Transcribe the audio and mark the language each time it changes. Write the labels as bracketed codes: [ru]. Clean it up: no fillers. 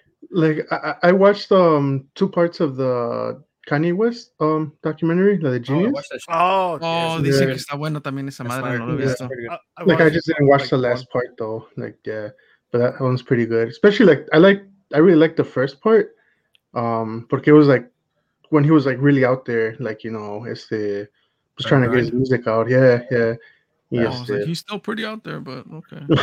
[en] Like I watched two parts of the Kanye West documentary, the Genius. [es] Dice que está bueno también esa madre, no lo he visto. [en] Like I just didn't watch the last part though. Like yeah. But that one's pretty good. Especially like I really liked the first part. [es] Porque [en] it was like when he was like really out there, like you know, was trying to get his music out. Yeah, yeah. He's still pretty out there, but okay.